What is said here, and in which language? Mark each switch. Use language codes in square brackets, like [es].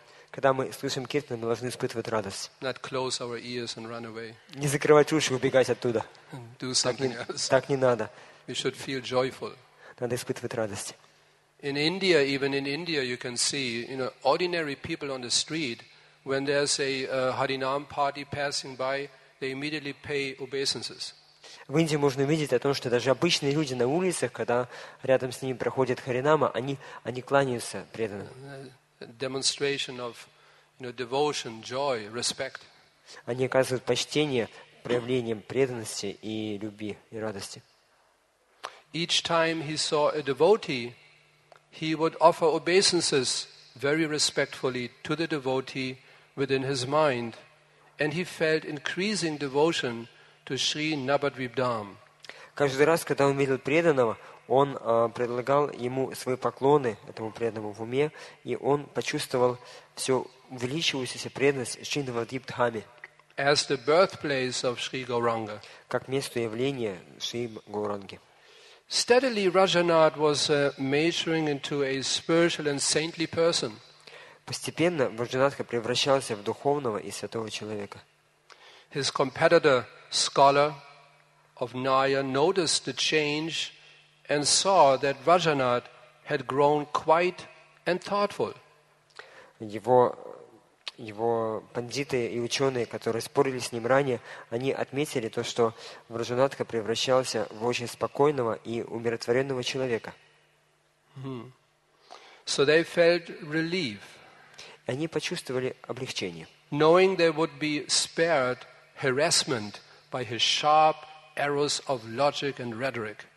[ru] Когда мы слышим киртан, мы должны испытывать радость. Не закрывать уши и убегать оттуда. Так не надо. Надо испытывать радость. [en] In India, even in India, you can see, you know, ordinary people on the street, when there's a Harinam party passing by, they immediately pay obeisances. [ru] В Индии можно увидеть о том, что даже обычные люди на улицах, когда рядом с ними проходит Харинама, они кланяются преданным. [en] Demonstration of, you know, devotion, joy, respect. [ru] Они оказывают почтение проявлением преданности и любви и радости. [en] Each time he saw a devotee, he would offer obeisances very respectfully to the devotee within his mind, and he felt increasing devotion to Sri Nabadvip Dham. [ru] Каждый раз, когда он видел преданного, он предлагал ему свои поклоны этому преданному в уме, и он почувствовал всю увеличивающуюся преданность Шри Набадвип Дхаме. [en] As the birthplace of Sri Gauranga. [ru] Как место явления Шри Гауранги. [en] Steadily, Rajanad was maturing into a spiritual and saintly person. [ru] Постепенно Варджанадха превращался в духовного и святого человека. [en] His competitor, scholar of Naya, noticed the change and saw that Rajanad had grown quiet and thoughtful. [ru] его пандиты и ученые, которые спорили с ним ранее, они отметили то, что Враджанатха превращался в очень спокойного и умиротворенного человека. [en] So they felt relief. [ru] Они почувствовали облегчение. [en] Knowing they would be spared harassment by his sharp arrows of logic and rhetoric.